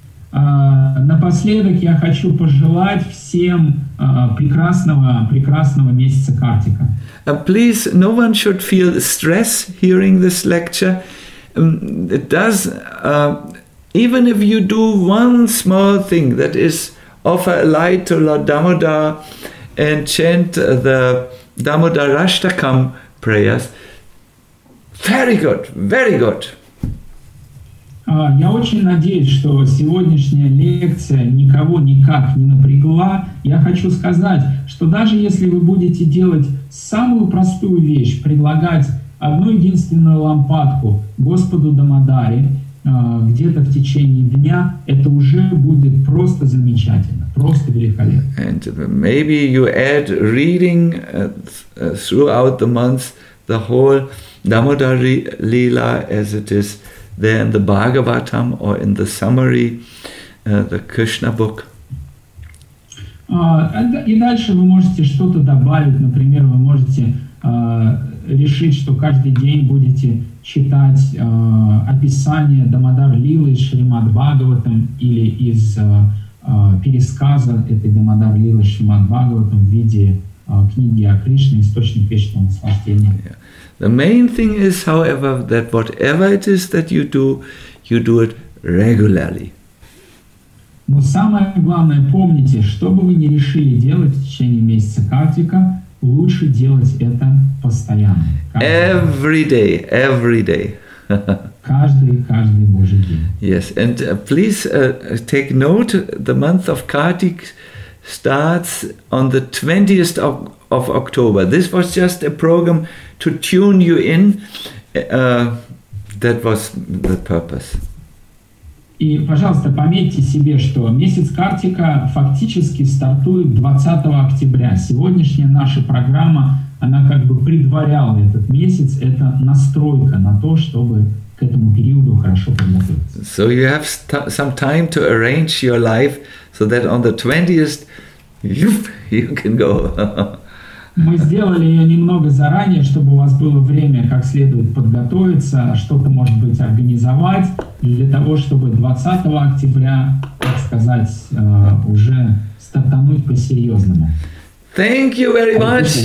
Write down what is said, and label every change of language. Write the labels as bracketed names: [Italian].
[Russian] Напоследок я хочу пожелать всем прекрасного месяца Картика. [English] Please, no one should feel stress hearing this lecture. It does, even if you do one small thing, that is, offer a light to Lord Damodar and chant the Damodar Ashtakam prayers. Very good, very good. [Russian] Я очень надеюсь, что сегодняшняя лекция никого никак не напрягла. Я хочу сказать, что даже если вы будете делать самую простую вещь, предлагать одну единственную лампадку Господу Дамодаре где-то в течение дня, это уже будет просто замечательно, просто великолепно. [English] And maybe you add reading throughout the month the whole Damodar Lila as it is there in the Bhagavatam or in the summary, the Krishna book. [Russian] И дальше вы можете что-то добавить, например, вы можете решить, что каждый день будете читать описание Дамодар Лилы из Шримад Бхагаватам или из пересказа этой Дамодар Лилы Шримад Бхагаватам в виде книги о Кришне, источник вечного наслаждения. [English] Yeah. The main thing is, however, that whatever it is that you do it regularly. [Russian] Но самое главное, помните, что бы вы ни решили делать в течение месяца Картика, лучше делать это постоянно. [English] Every day. [Russian] каждый Божий день. [English] Yes, and please take note, the month of Kartik starts on the 20th of October. This was just a program to tune you in. That was the purpose. [Russian] И, пожалуйста, пометьте себе, что месяц Картика фактически стартует 20 октября. Сегодняшняя наша программа, она как бы предваряла этот месяц. Это настройка на то, чтобы к этому периоду хорошо подготовиться. [English] So you have some time to arrange your life so that on the 20th you can go. [Russian] Мы сделали ее немного заранее, чтобы у вас было время как следует подготовиться, что-то, может быть, организовать, для того, чтобы 20 октября, так сказать, уже стартануть по-серьезному. [English] Thank you very much.